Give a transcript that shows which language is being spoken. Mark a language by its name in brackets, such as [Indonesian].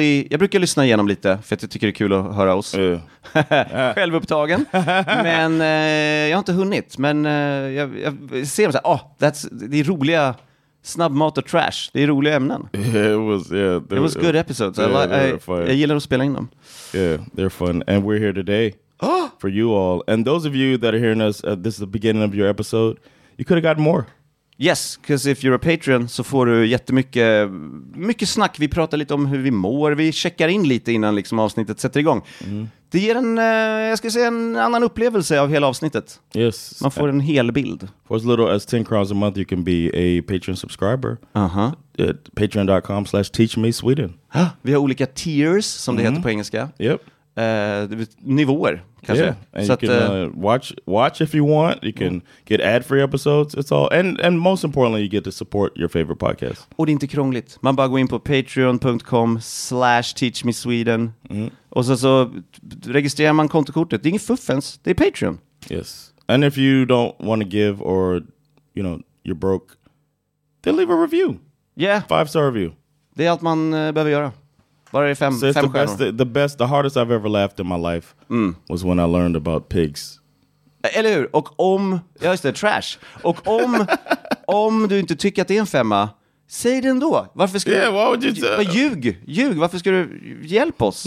[Swedish] Jag brukar lyssna igenom lite, för att jag tycker det är kul att höra oss. Självupptagen. Men jag har inte hunnit. Men jag ser dem så här, det är roliga... Snabbmat och trash. Det är roliga ämnen. [English] It was good episodes. [Swedish] Jag gillar att spela in dem. [English] Yeah, they're fun. And we're here today for you all. And those of you that are hearing us, this is the beginning of your episode. You could have gotten more. Yes, because if you're a Patreon [Swedish] så får du jättemycket mycket snack. Vi pratar lite om hur vi mår. Vi checkar in lite innan liksom avsnittet sätter igång. Mm. Det ger en annan upplevelse av hela avsnittet. [English] Yes. [Swedish] Man får en hel bild. [English] For as little as 10 crowns a month you can be a Patreon subscriber. Uh-huh. Patreon.com/teachmesweden. [Swedish] Vi har olika tiers som det heter på engelska. [English] Yep. [Swedish] Nivåer kanske. [English] Yeah. And you can watch if you want. You can get ad-free episodes. It's all and most importantly you get to support your favorite podcast. [Swedish] Och det är inte krångligt. Man bara går in på patreon.com/teachmesweden. Mm. Och så registrerar man kontokortet. Det är ingen fuffens, det är Patreon. [English] Yes. And if you don't want to give or, you know, you're broke, then leave a review. Yeah. 5-star review. [Swedish] Det är allt man behöver göra. Bara är fem stjärnor. [English] So it's the hardest I've ever laughed in my life was when I learned about pigs. [Swedish] Eller hur? Och om, ja just det, trash. Och om, om du inte tycker att det är en femma, säg det ändå. Varför ska [English] du... Yeah, why would you... [Swedish] Ljug. Varför ska du hjälpa oss?